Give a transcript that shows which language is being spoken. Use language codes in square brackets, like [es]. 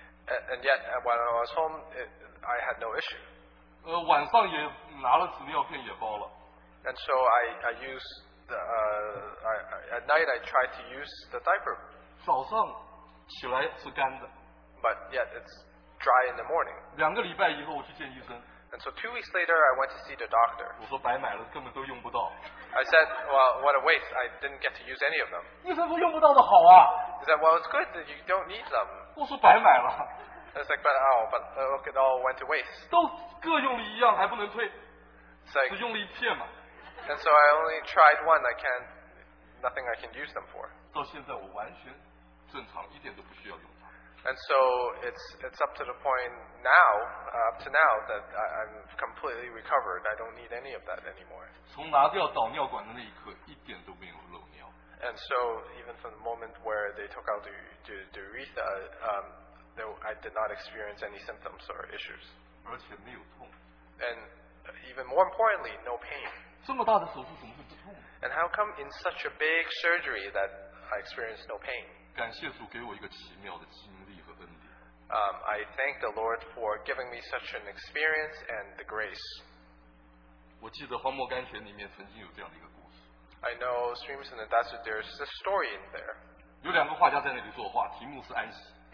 [en] And yet, when I was home, I had no issue. [zh] 晚上也拿了纸尿片也包了。 [en] And so I tried to use the diaper. [zh] 早上起来是干的。 [en] But yet, it's dry in the morning. [zh] 2个礼拜以后我去见医生。 [en] And so 2 weeks later, I went to see the doctor. [zh] 我说白买了，根本都用不到。 [en] I said, well, what a waste. I didn't get to use any of them. [zh] 医生说用不到的好啊。 [en] He said, well, it's good that you don't need them. [zh] 我说白买了。 [en] I was like, but it all went to waste. [zh] 都各用了一样，还不能退。 [en] It's like, [zh] 只用了一片嘛。 [en] And so I only tried one. Nothing I can use them for. [zh] 到现在我完全正常，一点都不需要用它。 [en] And so it's up to the point now, up to now, that I'm completely recovered. I don't need any of that anymore. [zh] 从拿掉导尿管的那一刻，一点都没有漏尿。 [en] And so, even from the moment where they took out the urethra, I did not experience any symptoms or issues. [zh] 而且没有痛。 [en] And even more importantly, no pain. [zh] 这么大的手术怎么会不痛？ [en] And how come in such a big surgery that I experienced no pain? [zh] 感谢主给我一个奇妙的经历和恩典。 [en] I thank the Lord for giving me such an experience and the grace. [zh] 我记得荒漠甘泉里面曾经有这样的一个。 [en] I know Streams in the Desert, there's a story in there. [zh] 有两个画家在那里作画, 题目是安息。